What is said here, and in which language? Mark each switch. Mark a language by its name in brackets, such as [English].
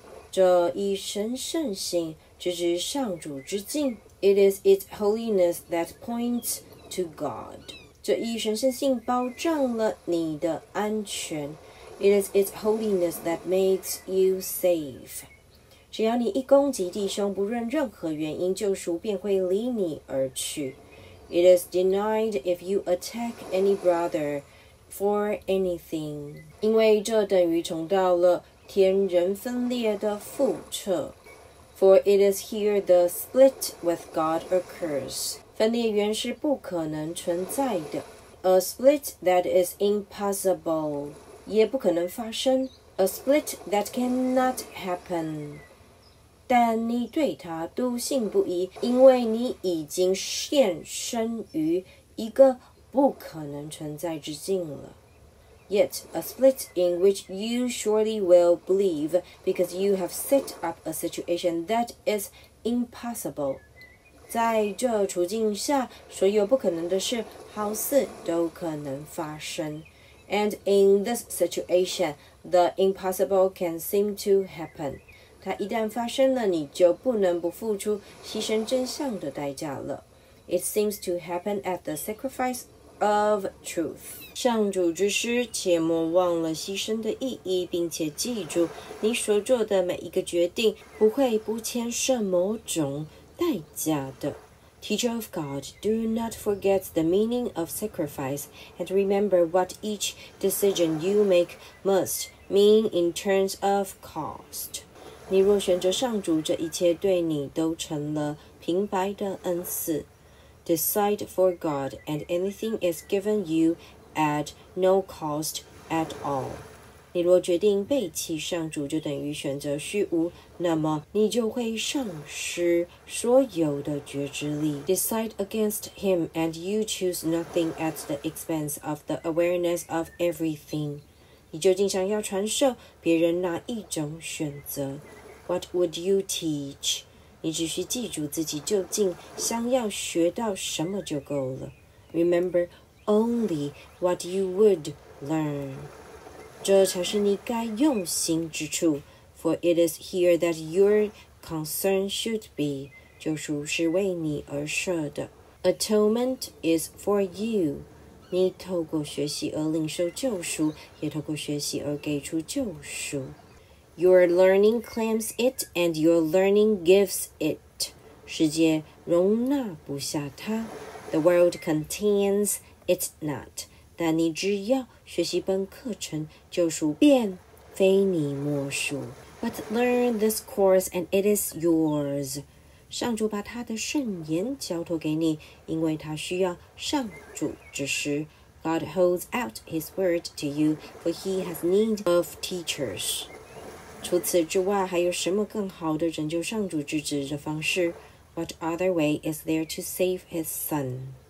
[Chinese] 这一神圣性直至上主之境。 [English] It is its holiness that points to God. [Chinese] 这一神圣性保障了你的安全。 [English] It is its holiness that makes you safe. [Chinese] 只要你一攻击弟兄，不论任何原因，救赎便会离你而去。 [English] It is denied if you attack any brother for anything. [Chinese] 因为这等于重蹈了天人分裂的覆辙。 [English] For it is here the split with God occurs. [Chinese] 分裂原是不可能存在的。 [English] A split that is impossible. [Chinese] 也不可能发生 [English] ，a split that cannot happen。 [Chinese] 但你对他笃信不疑，因为你已经现身于一个不可能存在之境了。 [English] Yet a split in which you surely will believe because you have set up a situation that is impossible。 [Chinese] 在这处境下，所有不可能的事好似都可能发生。 [English] And in this situation, the impossible can seem to happen. [Chinese] 它一旦发生了，你就不能不付出牺牲真相的代价了。 [English] It seems to happen at the sacrifice of truth. [Chinese] 上主之师，切莫忘了牺牲的意义，并且记住你所做的每一个决定不会不牵涉某种代价的。 [English] Teacher of God, do not forget the meaning of sacrifice and remember what each decision you make must mean in terms of cost. [Chinese] 你若选择上主，这一切对你都成了平白的恩赐。 [English] Decide for God, and anything is given you at no cost at all. [Chinese] 你若决定背弃上主，就等于选择虚无，那么你就会丧失所有的觉知力。 [English] Decide against him, and you choose nothing at the expense of the awareness of everything. [Chinese] 你究竟想要传授别人哪一种选择？ [English] What would you teach? [Chinese] 你只需记住自己究竟想要学到什么就够了。 [English] Remember only what you would learn. [Chinese] 这才是你该用心之处。 [English] For it is here that your concern should be. [Chinese] 救赎是为你而设的。 Atonement is for you. 你透过学习而领受救赎，也透过学习而给出救赎。 [English] Your learning claims it, and your learning gives it. [Chinese] 世界容纳不下它。 The world contains it not. 但你只要学习本课程，救赎便非你莫属。 [English] But learn this course, and it is yours. [Chinese] 上主把他的圣言交托给你，因为他需要上主之时。 [English] God holds out his word to you, for he has need of teachers. [Chinese] 除此之外，还有什么更好的拯救上主之子的方式？ [English] What other way is there to save his son?